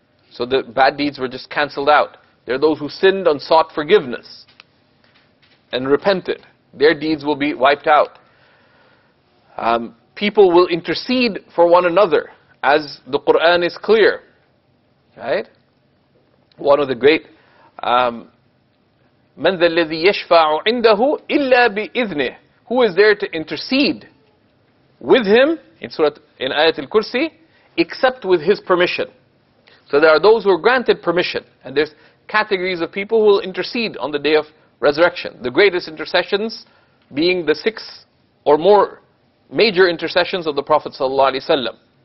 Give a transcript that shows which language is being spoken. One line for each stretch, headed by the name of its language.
English: So the bad deeds were just cancelled out. There are those who sinned and sought forgiveness and repented. Their deeds will be wiped out. People will intercede for one another, as the Quran is clear. Right? One of the great
Arabic: من ذا الذي يشفع عنده إلا بإذنه.
English: Who is there to intercede with him in Ayat al-Kursi except with his permission? So there are those who are granted permission, and there's categories of people who will intercede on the day of resurrection. The greatest intercessions being the six or more major intercessions of the Prophet sallallahu alaihi wasallam.